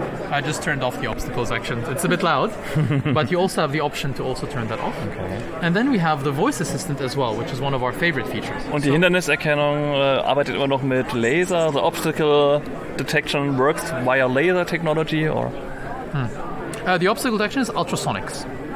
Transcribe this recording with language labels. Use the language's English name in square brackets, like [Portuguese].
[English] I just turned off the obstacle section. It's a bit loud, but you also have the option to also turn that off. Okay. And then we have the voice assistant as well, which is one of our favorite features. [German] Und die Hinderniserkennung arbeitet immer noch mit Laser. [English] The obstacle detection works via laser technology or? The obstacle detection is ultrasonics.